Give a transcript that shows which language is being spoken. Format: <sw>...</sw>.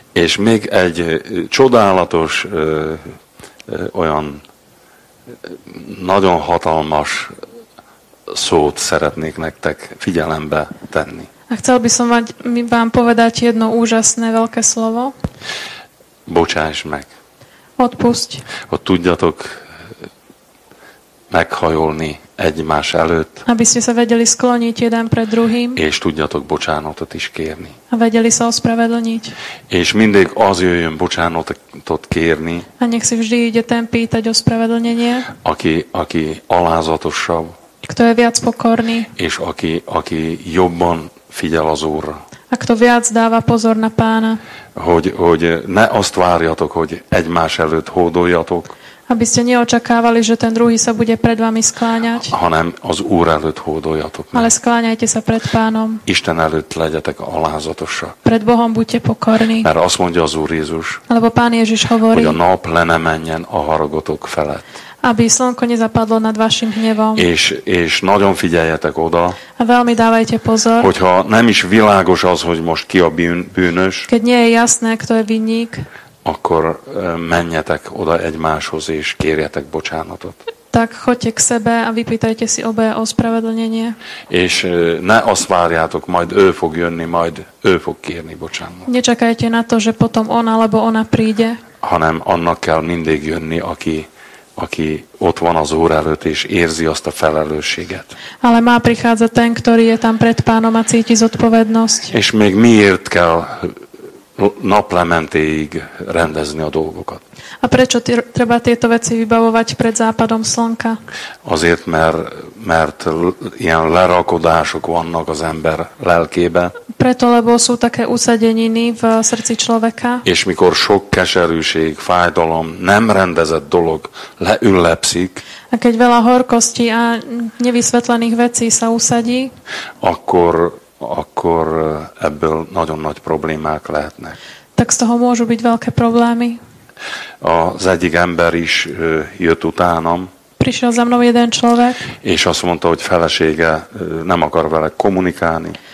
<hu>És még egy csodálatos, olyan nagyon hatalmas szót szeretnék nektek figyelembe tenni.</hu> <sk>A chcel by som vám povedať jedno úžasné, veľké slovo.</sk> <hu>Bocsáss meg.</hu> <sk>Odpusť.</sk> <hu>Hogy tudjatok meghajolni egymás előtt.</hu> <sk>Aby ste sa vedeli skloniť jeden pred druhým.</sk> <hu>És tudjatok bocsánatot is kérni.</hu> <sk>A vedeli sa ospravedlniť.</sk> <hu>És mindig az jöjjön bocsánatot kérni.</hu> <sk>A nech si vždy ide ten pýtať ospravedlnenie.</sk> <hu>Aki alázatosabb.</hu> <sk>Kto je viac pokorný.</sk> <hu>És aki jobban figyel az Úrra.</hu> <sk>A kto viac dáva pozor na Pána.</sk> <hu>Hogy ne azt várjatok, hogy egymás előtt hódoljatok.</hu> <sk>Aby ste neočakávali, že ten druhý sa bude pred vami skláňať.</sk> <hu>Hanem az Úr előtt hódoljatok.</hu> <sk>Ale skláňajte sa pred Pánom.</sk> <hu>Isten előtt legyetek alázatosak.</hu> <sk>Pred Bohom buďte pokorní.</sk> <hu>Mert azt mondja az Úr Jézus.</hu> <sk>Lebo Pán Ježiš hovorí.</sk> <hu>Hogy a nap le ne menjen a haragotok felett.</hu> <sk>Aby slnko nezapadlo nad vašim hnevom.</sk> <hu>És nagyon figyeljetek oda.</hu> <sk>A veľmi dávajte pozor.</sk> <hu>Hogyha nem is világos az, hogy most ki a bűnös.</hu> <sk>Keď nie je jasné, kto je vinník.</sk> <hu>Akkor menjetek oda egymáshoz és kérjetek bocsánatot.</hu> <sk>Tak choďte k sebe a vypýtajte si obe ospravedlnenie.</sk> <hu>És ne azt várjátok, majd ő fog jönni, majd ő fog kérni bocsánatot.</hu> <sk>Nečakajte na to, že potom on alebo ona príde.</sk> <hu>Hanem annak kell mindig jönni, aki ott van az Úr előtt, és érzi azt a felelősséget.</hu> <sk>Ale má prichádza ten, ktorý je tam pred Pánom a cíti zodpovednosť.</sk> <hu>És még miért kell naplementéig rendezni a dolgokat?</hu> <sk>A prečo treba tieto veci vybavovať pred západom slnka?</sk> <hu>Azért, mert ilyen lerakodások vannak az ember lelkébe.</hu> <sk>Preto, lebo sú také usadeniny v srdci človeka.</sk> <hu>És mikor sok keserűség, fájdalom, nem rendezett dolog leüllepszik,</hu> <sk>a keď veľa horkosti a nevysvetlených vecí sa usadí,</sk> <hu>akkor ebből nagyon nagy problémák lehetnek.</hu> <sk>Tak z toho môžu byť veľké problémy.</sk> <hu>Az egyik ember is jött utánam.</hu> <sk>Prišiel za mnou jeden človek.</sk> <hu>És azt mondta, hogy felesége nem akar vele kommunikálni.</hu>